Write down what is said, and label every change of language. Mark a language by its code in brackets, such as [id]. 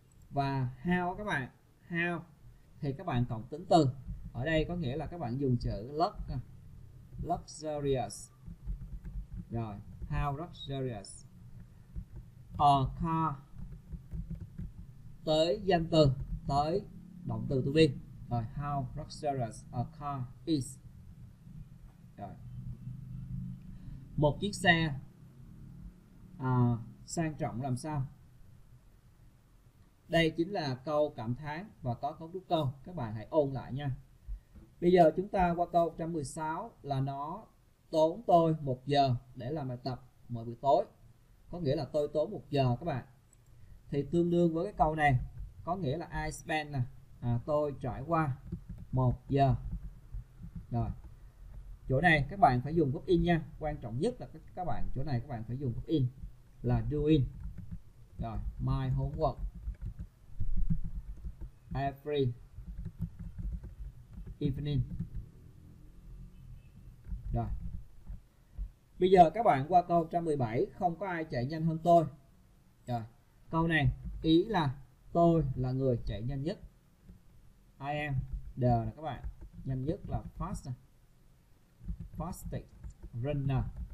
[vi] Và how các bạn, how thì các bạn cộng tính từ. Ở đây có nghĩa là các bạn dùng chữ lux, luxurious. Rồi, [en] how luxurious. A car, [vi] tới danh từ, tới động từ to be. [en] Rồi, how luxurious a car is. [vi] Rồi. Một chiếc xe sang trọng làm sao? Đây chính là câu cảm thán và có cấu trúc câu. Các bạn hãy ôn lại nha. Bây giờ chúng ta qua câu 116 là nó tốn tôi 1 giờ để làm bài tập mỗi buổi tối. Có nghĩa là tôi tốn 1 giờ các bạn. Thì tương đương với cái câu này, có nghĩa là [en] I spend [vi] nè, tôi trải qua 1 giờ. Rồi. Chỗ này các bạn phải dùng put in nha, quan trọng nhất là các bạn chỗ này các bạn phải dùng put in là doing. [en] Rồi, my homework every evening. [vi] Rồi. Bây giờ các bạn qua câu 117, không có ai chạy nhanh hơn tôi. Rồi, câu này ý là tôi là người chạy nhanh nhất. [en] I am the [vi] là các bạn, nhanh nhất là fast. [en] Fastest runner.